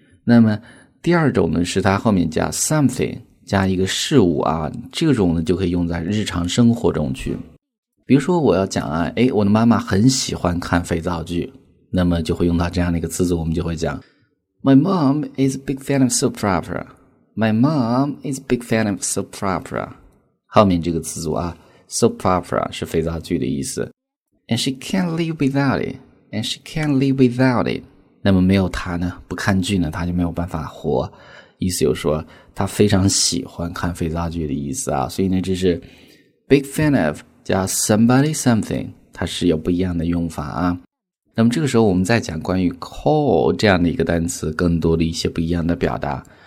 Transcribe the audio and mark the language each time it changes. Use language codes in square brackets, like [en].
[zh] 那么第二种呢是他后面加 something， 加一个事物啊，这种呢就可以用在日常生活中去。比如说我要讲啊，我的妈妈很喜欢看肥皂剧，那么就会用到这样的一个词组，我们就会讲 [en] My mom is a big fan of soap opera. My mom is a big fan of soap opera. [zh] 后面这个词组啊 ，soap opera 是肥皂剧的意思。 [en] And she can't live without it. And she can't live without it. [zh] 那么没有她呢，不看剧呢，她就没有办法活。意思就是说，她非常喜欢看肥皂剧的意思啊。所以呢，这是 big fan of 加 somebody something， 它是有不一样的用法啊。那么这个时候我们再讲关于 call 这样的一个单词更多的一些不一样的表达。